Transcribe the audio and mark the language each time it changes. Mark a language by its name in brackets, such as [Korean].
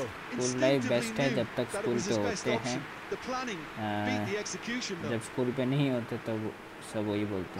[Hindi] School life best है जब तक school पे होते हैं. [English] The planning beat the execution. [Hindi] जब school पे नहीं होते तब सब वही बोलते